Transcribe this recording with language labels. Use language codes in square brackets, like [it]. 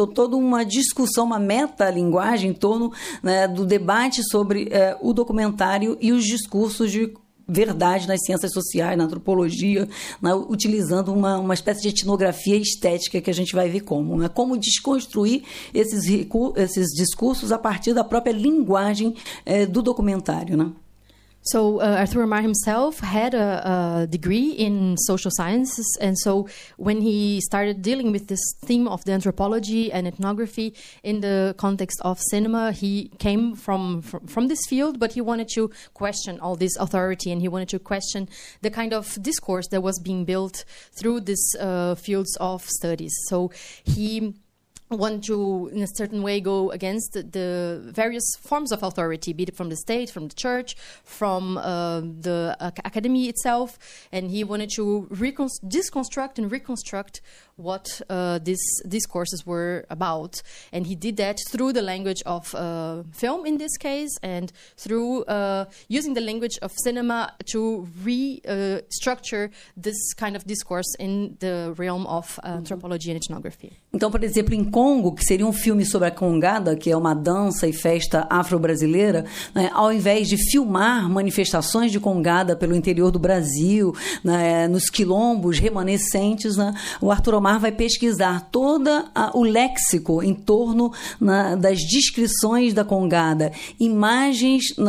[pt] Então, toda uma discussão, uma metalinguagem em torno, né, do debate sobre o documentário e os discursos de verdade nas ciências sociais, na antropologia, né, utilizando uma espécie de etnografia estética que a gente vai ver como, né, como desconstruir esses discursos a partir da própria linguagem do documentário, né? [en] So Arthur Omar himself had a degree in social sciences, and so when he started dealing with this theme of the anthropology and ethnography in the context of cinema, he came from this field, but he wanted to question all this authority, and he wanted to question the kind of discourse that was being built through these fields of studies. So he want to, in a certain way, go against the various forms of authority, be it from the state, from the church, from the academy itself. And he wanted to deconstruct and reconstruct what these discourses were about. And he did that through the language of film in this case, and through using the language of cinema to restructure this kind of discourse in the realm of anthropology and ethnography. [pt] Então, por exemplo, em Congo, que seria um filme sobre a congada, que é uma dança e festa afro-brasileira, né, ao invés de filmar manifestações de congada pelo interior do Brasil, né, nos quilombos remanescentes, né, o Arthur Omar vai pesquisar todo o léxico em torno das descrições da congada, imagens